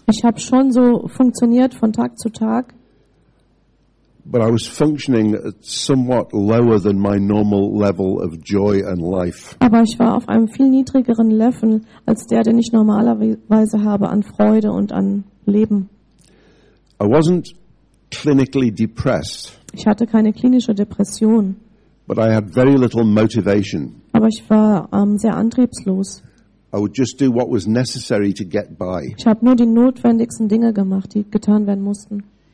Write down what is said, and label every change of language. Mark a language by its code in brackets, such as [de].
[de] Ich habe schon so funktioniert von Tag zu Tag. [en] But I was functioning at somewhat lower than my normal level of joy and life. [de] Aber ich war auf einem viel niedrigeren Level als der, den ich normalerweise habe an Freude und an Leben. [en] I wasn't clinically depressed. [de] Ich hatte keine klinische Depression. [en] But I had very little motivation. [de] Aber ich war sehr antriebslos. [en] I would just do what was necessary to get by. [de] Ich habe nur die notwendigsten Dinge gemacht, die getan werden mussten.